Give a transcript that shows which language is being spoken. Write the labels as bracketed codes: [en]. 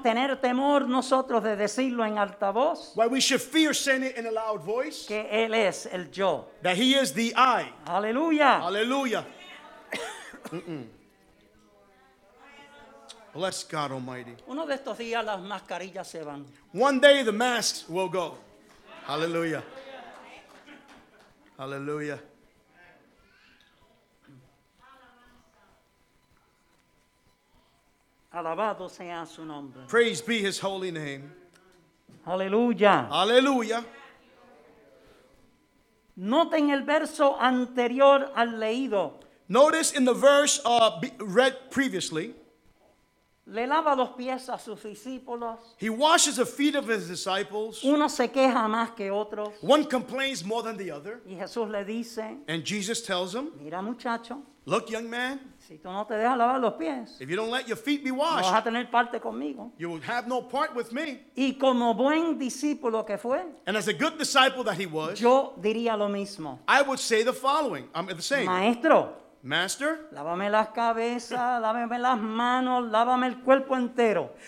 [es] Tener temor nosotros de decirlo en alta voz. [en] Why we should fear saying it in a loud voice. [es] Que él es el yo. [en] That he is the I. Aleluya. Aleluya. Bless God Almighty. [es] Uno de estos días las mascarillas se van. [en] One day the mask will go. Aleluya. Aleluya. [es] Alabado sea su nombre. [en] Praise be his holy name. Hallelujah. Hallelujah. [es] Noten el verso anterior al leído. [en] Notice in the verse read previously. [es] Le lava los pies a sus discípulos. [en] He washes the feet of his disciples. [es] Uno se queja más que otro. [en] One complains more than the other. [es] Y Jesús le dice, [en] and Jesus tells him, [es] mira muchacho, [en] look young man, [es] si tú no te dejas lavar los pies, [en] if you don't let your feet be washed, [es] no vas a tener parte conmigo, [en] you will have no part with me. [es] Y como buen discípulo que fue, [en] and as a good disciple that he was, [es] yo diría lo mismo. [en] I would say the following. I'm the same. [es] Maestro, [en] master, [es] lávame las cabezas, lávame las manos, lávame el cuerpo entero.